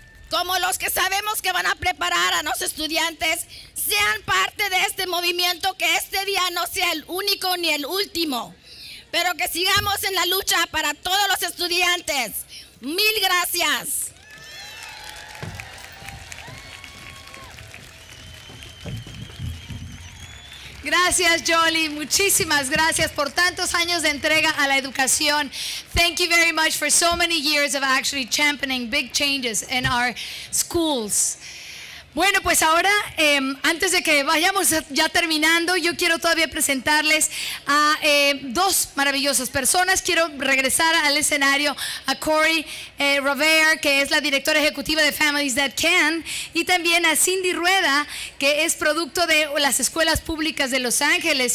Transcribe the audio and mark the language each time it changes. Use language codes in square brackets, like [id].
[es] Como los que sabemos que van a preparar a los estudiantes, sean parte de este movimiento, que este día no sea el único ni el último, pero que sigamos en la lucha para todos los estudiantes. Mil gracias. Gracias, Yolie. Muchísimas gracias por tantos años de entrega a la educación. [en] Thank you very much for so many years of actually championing big changes in our schools. [es] Bueno, pues ahora, antes de que vayamos ya terminando, yo quiero todavía presentarles a dos maravillosas personas. Quiero regresar al escenario a Corri Ravare, que es la directora ejecutiva de Families That Can, y también a Cindy Rueda, que es producto de las escuelas públicas de Los Ángeles.